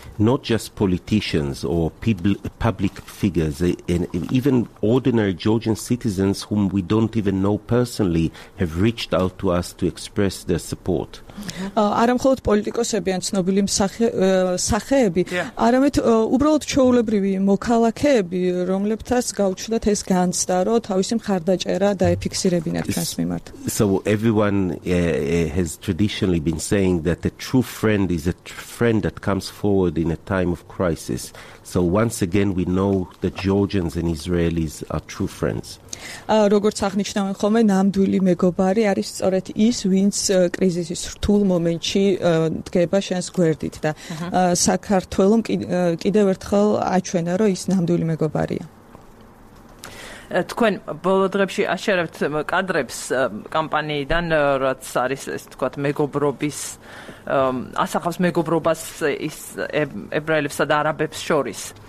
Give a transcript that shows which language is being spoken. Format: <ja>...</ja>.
<en>Not just politicians or public figures and even ordinary Georgian citizens whom we don't even know personally have reached out to us to express their support.</en> <ka>არამხოლოდ პოლიტიკოსები ან ცნობილი სახეები, არამედ უბრალოდ ჩვეულებრივი მოქალაქეები, რომლებთანაც გავჩნდათ ეს განცდა, რომ თავისი მხარდაჭერა დაეფიქსირებინათ ჩვენს მიმართ.</ka> <en>So everyone has traditionally been saying that a true friend is a friend that comes forward in a time of crisis. So once again we know that Georgians and Israelis are true friends.</en> <ka>როგორც აღნიშნავენ ხოლმე, ნამდვილი მეგობარი არის სწორედ ის, ვინც კრიზისის რთულ მომენტში დგება შენს გვერდით და საქართველოს კიდევ ერთხელ აჩვენა, რომ ის ნამდვილი მეგობარია. თქვენ ბოლო დღეებში აშერებთ კადრებს კამპანიიდან, რაც არის ეს თქვათ მეგობრობის, ასახავს მეგობრობას ის ებრაელებსა და არაბებს შორის.</ka>